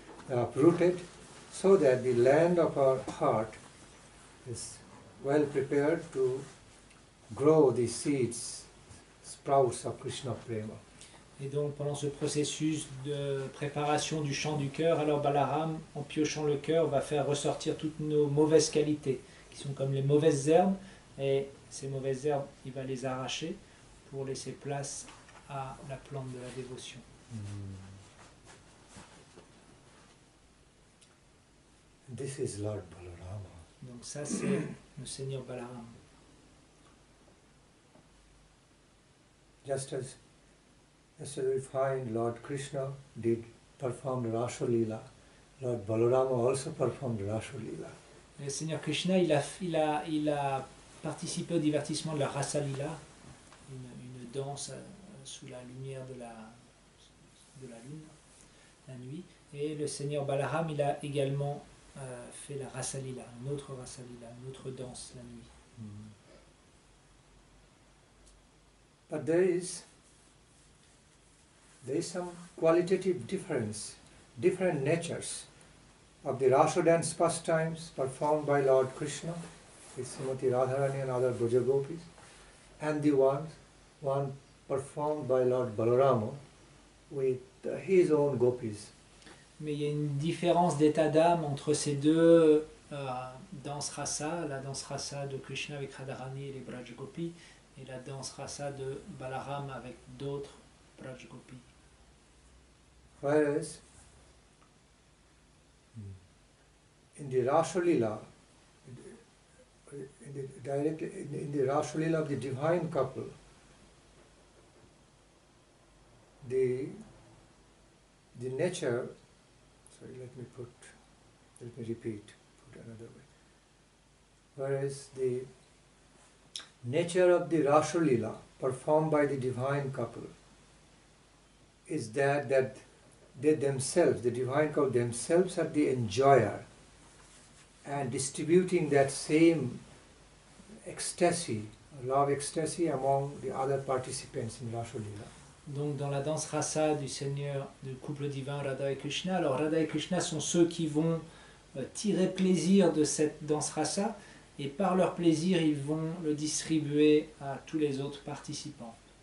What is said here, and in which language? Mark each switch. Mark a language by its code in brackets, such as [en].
[en] Uprooted, so that the land of our heart is well prepared to grow the seeds, sprouts of Krishna Prema. [fr] Et donc, pendant ce processus de préparation du champ du cœur, alors Balaram, en piochant le cœur, va faire ressortir toutes nos mauvaises qualités, qui sont comme les mauvaises herbes, et ces mauvaises herbes, il va les arracher pour laisser place à la plante de la dévotion. [en] This is Lord Balarama. [fr] Donc ça c'est le Seigneur Balaram. [en] Just as we find Lord Krishna performed Rasa Lila, Lord Balarama also performed Rasa Lila. [fr] Le Seigneur Krishna il a participé au divertissement de la Rasa Lila, une danse sous la lumière de la lune, la nuit. Et le Seigneur Balaram il a également fait la rasa lila, une autre rasa lila, une autre danse la nuit. [en] But there is some qualitative difference, different natures of the rasa dance pastimes performed by Lord Krishna with Srimati Radharani and other Brajagopis, and the one performed by Lord Balarama with his own gopis. [fr] Mais il y a une différence d'état d'âme entre ces deux danses rasa, la danse rasa de Krishna avec Radharani et les Brajagopis, et la danse rasa de Balarama avec d'autres Brajagopis. [en] Whereas, in the Rasa Lila, in the Rasa Lila of the divine couple, the nature, sorry, let me repeat another way. Whereas the nature of the Rasa Lila performed by the divine couple is that they themselves, the divine couple themselves, are the enjoyer and distributing that same ecstasy, love ecstasy, among the other participants in Rasa Lila. [fr] Donc dans la danse rasa du Seigneur, du couple divin Radha et Krishna, alors Radha et Krishna sont ceux qui vont tirer plaisir de cette danse rasa, et par leur plaisir ils vont le distribuer à tous les autres participants.